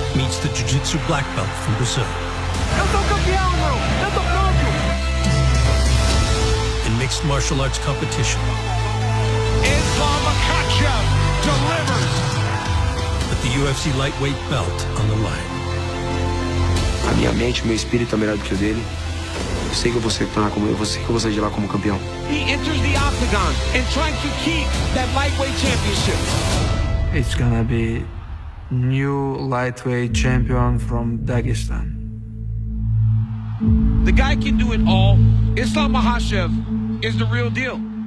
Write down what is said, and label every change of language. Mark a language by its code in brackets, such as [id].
[en] Meets the jiu-jitsu black belt from Brazil. [pt] Eu sou campeão, meu. Eu sou campeão. [en] In mixed martial arts competition. Islam Makhachev delivers. With the UFC lightweight belt on the line. [pt] A minha mente, meu espírito é melhor do que o dele. Eu sei que eu vou sair de lá como campeão. [en] He enters the octagon and trying to keep that lightweight championship. It's gonna be new lightweight champion from Dagestan. The guy can do it all. Islam Makhachev is the real deal.